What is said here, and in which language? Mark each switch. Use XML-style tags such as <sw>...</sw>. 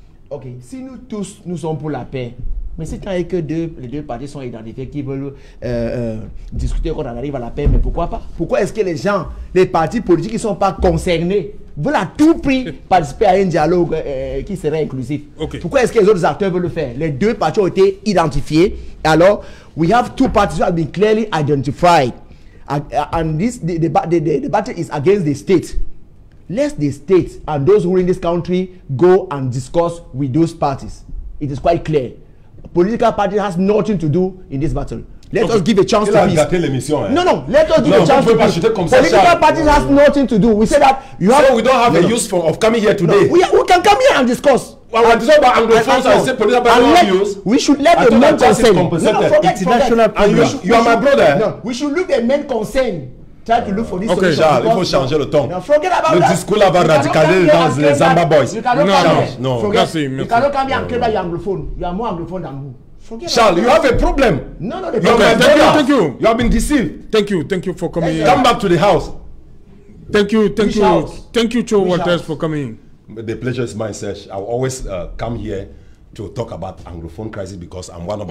<fr>Ok, si nous tous, nous sommes pour la paix, mais c'est quand même que les deux parties sont identifiées, qui veulent discuter, qu'on arrive à la paix, mais pourquoi pas? Pourquoi est-ce que les gens, les partis politiques qui ne sont pas concernés, veulent à tout prix participer à un dialogue qui serait inclusif? Okay. Pourquoi est-ce que les autres acteurs veulent le faire? Les deux parties ont été identifiées.</fr> <en>Alors, we have two parties who have been clearly identified. And this the battle is against the state. Let the state and those who are in this country go and discuss with those parties. It is quite clear. Political party has nothing to do in this battle. Let us give a chance to peace. Political party has nothing to do. We say that you have. So we don't have the use of coming here today. No. We can come here and discuss. We should let the main concern. You are my brother. No. We should look the main concern. Try to look for this.</en> <fr>Okay, Charles, il faut changer le ton.</fr> <en>Forget about</en> <fr>le discours là-bas radicalisé dans les Zamba Boys. Non, merci.</fr> <en>You cannot come here and claim that you're anglophone. You are more anglophone than who? Charles, you have a problem. No, thank you. You have been deceived. Thank you for coming here. Come back to the house. Thank you, Joe Walters, for coming. The pleasure is mine, Serge. I always come here to talk about anglophone crisis because I'm one of</en>